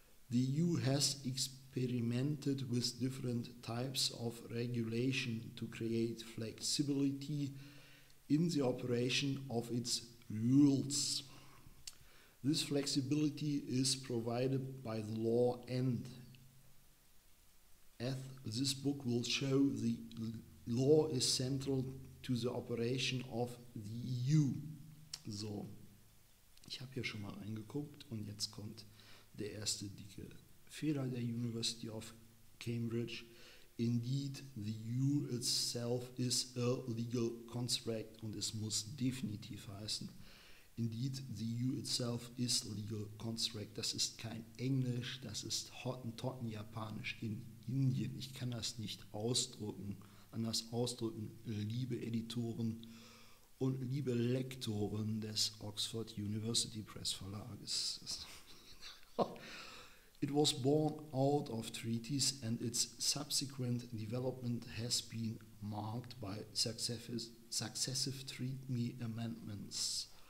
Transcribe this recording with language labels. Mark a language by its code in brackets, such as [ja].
[en] The EU has experimented with different types of regulation to create flexibility in the operation of its rules. This flexibility is provided by the law, and as this book will show, the law is central to the operation of the EU. [de] So, ich habe hier schon mal reingeguckt und jetzt kommt der erste dicke Fehler der University of Cambridge. [en] Indeed, the EU itself is a legal construct [de] und es muss definitiv heißen. [en] Indeed, the EU itself is legal construct. [de] Das ist kein Englisch, das ist Hottentotten-Japanisch in Indien. Ich kann das nicht ausdrücken, anders ausdrücken, liebe Editoren und liebe Lektoren des Oxford University Press Verlages. [en] It was born out of treaties and its subsequent development has been marked by successive treaty amendments.